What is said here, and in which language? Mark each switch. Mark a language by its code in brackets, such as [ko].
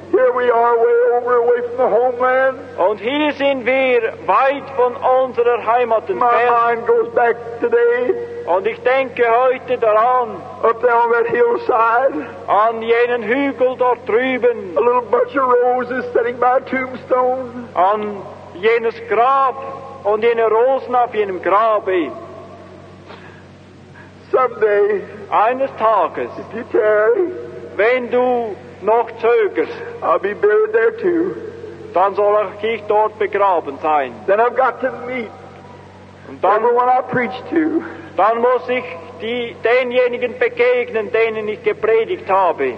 [en] Here we are, way over away from the homeland. [de] Und hier sind wir weit von unserer Heimat entfernt. [en] My mind goes back today. [de] Und ich denke heute daran. [en] Up there on that hillside. [de] An jenen Hügel dort drüben. [en] A little bunch of roses sitting by a tombstone. [de] An jenes Grab und jene Rosen auf jenem Grabe. [en] Someday, [de] eines Tages, [en] if you tarry, [de] wenn du noch zögerst, [en] I'll be buried there too. [de] Dann soll ich dort begraben sein. [en] Then I've got to meet everyone I preach to. [de] Dann muss ich denjenigen begegnen, denen ich gepredigt habe.